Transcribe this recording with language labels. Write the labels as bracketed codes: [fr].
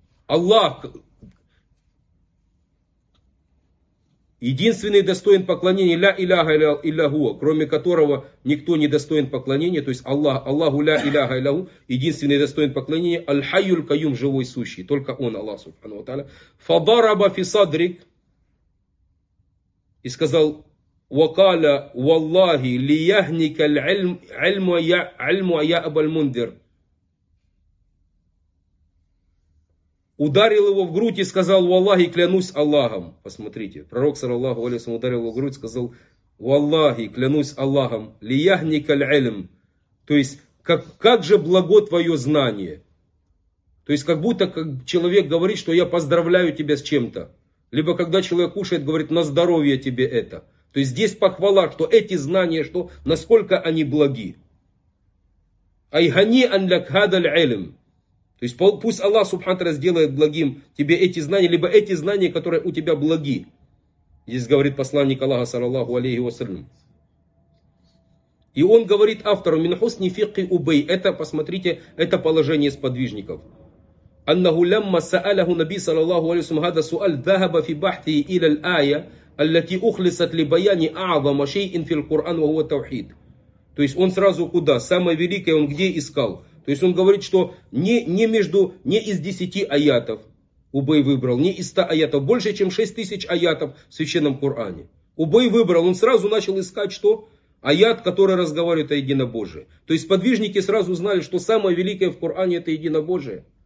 [ru] Аллах, единственный достоин поклонения, [ar] ля иляха илляху, [ru] кроме которого никто не достоин поклонения, то есть Аллах, Аллаху ля иляха илляху, единственный достоин поклонения, [ar] аль-хайюль кайюм, [ru] живой сущий, только он, Аллах, субхану ва тааля. [ar] Фадараба фисадрик. [ru] И сказал, [ar] وقال والله ليهنك العلم علم يا أبا المنذر. [ru] Ударил его в грудь и сказал, Валлахи, клянусь Аллахом. Посмотрите, пророк, саллаллаху алейхи ва саллям, ударил его в грудь и сказал, Валлахи, клянусь Аллахом, [ar] ليهنك العلم. [ru] То есть, как же благо твое знание. То есть, как будто как человек говорит, что я поздравляю тебя с чем-то. Либо когда человек кушает, говорит, на здоровье тебе это. То есть здесь похвала, что эти знания, что насколько они благи. [ar] Айхани анляк хадаль элим. [ru] То есть пусть Аллах Субхану Ва Тааля сделает благим тебе эти знания, либо эти знания, которые у тебя благи. Здесь говорит посланник Аллаха, саллаллаху алейхи ва саллям. И он говорит автору, [ar] мин хусни фикхи Убей. [ru] Это, посмотрите, это положение сподвижников. [ar] أنه لما سأله النبي صلى الله عليه وسلم هذا السؤال ذهب في بحثه إلى الآية التي أخلصت لبيان أعظم شيء في القرآن وهو التوحيد. [ru] То есть он сразу куда? Самое великое он где искал? То есть он говорит, что не из 10 аятов Убей выбрал, не из 100 аятов, больше чем 6000 аятов в Священном Коране. Убей выбрал, он сразу начал искать что? Аят, который разговаривает о Единобожии. То есть подвижники сразу знали, что самое великое в Коране это Единобожие.